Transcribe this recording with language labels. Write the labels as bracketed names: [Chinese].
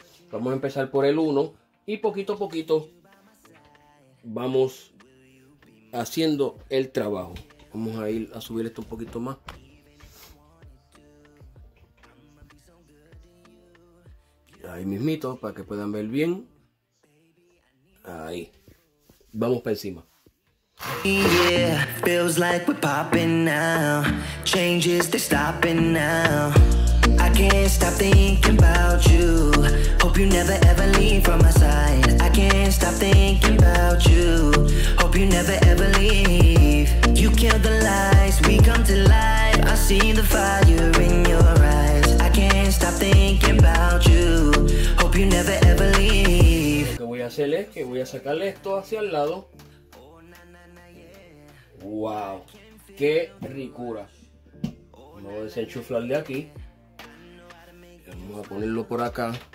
[Spanish] Vamos a empezar por el 1. Y poquito a poquito vamos haciendo el trabajo. Vamos a ir a subir esto un poquito más. Ahí mismito, para que puedan ver bien. Ahí. Vamos para encima. [English] Yeah, feels like we're popping now. Changes they're stopping now. I can't stop thinking about you. Hope you never ever leave from my side. I can't stop thinking about you. Hope you never ever leave. You kill the lies, we come to life. I see the fire in your eyes. I can't stop thinking about you. Hope you never ever leave. [Spanish] Hacerle que voy a sacarle esto hacia el lado. Wow, qué ricura. Vamos a desenchufar de aquí. Vamos a ponerlo por acá.